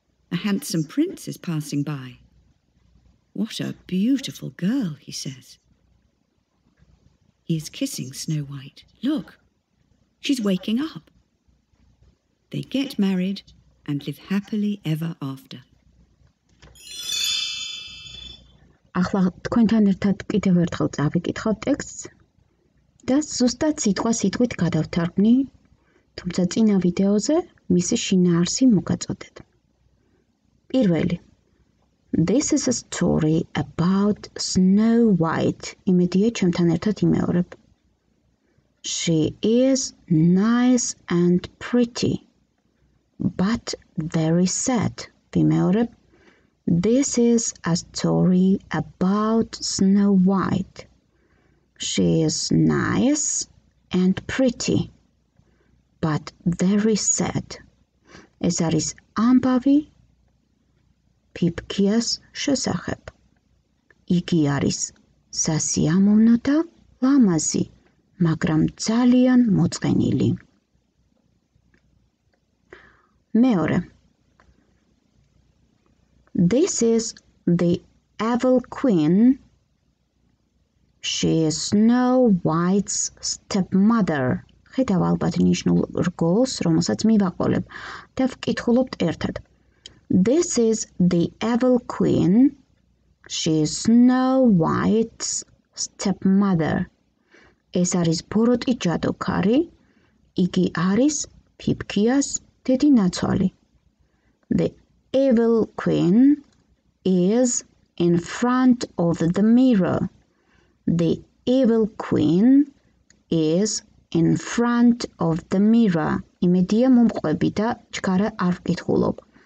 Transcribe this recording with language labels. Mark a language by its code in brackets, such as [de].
[en] A handsome prince is passing by. What a beautiful girl, he says. He is kissing Snow White. Look, she's waking up. They get married and live happily ever after. [ka] ახლა თქვენთან ერთად კიდევ ერთხელ წავიკითხავ ტექსტს და ზუსტად სიტყვა-სიტყვით გადავთარგმნი, თუმცა წინა ვიდეოზე მისი შინაარსი მოგაწოდეთ. პირველი. [en] This is a story about Snow White. [ka] Იმედია, ჩემთან ერთად იმეორებ. [en] She is nice and pretty, but very sad. [ka] ვიმეორებ. [en] This is a story about Snow White. She is nice and pretty, but very sad. [ka] ეს არის ამბავი. Pipkias შესახებ. Იგი არის სასიამოვნო და ლამაზი, მაგრამ ძალიან მოწყენილი. მეორე. [en] This is the Evil Queen. She is Snow White's stepmother. [ka] ხედავ ალბათ ნიშნულ რგოლს, რომელსაც მივაყოლებ და ვკითხულობთ ერთად. [en] This is the Evil Queen. She is Snow White's stepmother. [ka] ეს არის ბოროტი ჯადოქარი. იგი არის ფიფქიას დედინაცვალი. [en] The Evil Queen is in front of the mirror. The Evil Queen is in front of the mirror. [ka] იმედია მომყვები და ჩქარა არ ვკითხულობ.